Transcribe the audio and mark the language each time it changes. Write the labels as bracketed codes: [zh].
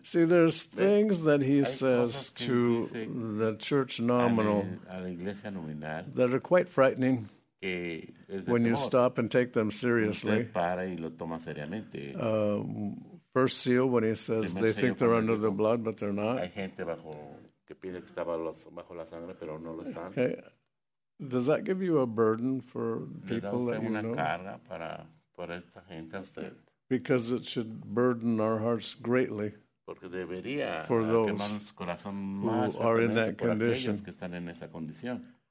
[en] See, there's things that he says to the church nominal [es] a la iglesia nominal [en] that are quite frightening [es] que es de [en] when [es] temor. [en] You stop and take them seriously. [es] Usted para y lo toma seriamente. [en] First seal, when he says they think they're under the blood, but they're not. [es] Hay gente bajo, que pide que estaba bajo la sangre, pero no lo están. [en] Okay. Does that give you a burden for people that you know? [es] Carga para esta gente, usted? [en] Because it should burden our hearts greatly [es] porque debería [en] for those [es] corazón [en] who [es] más [en] are in that condition. [es] Que están en esa condición.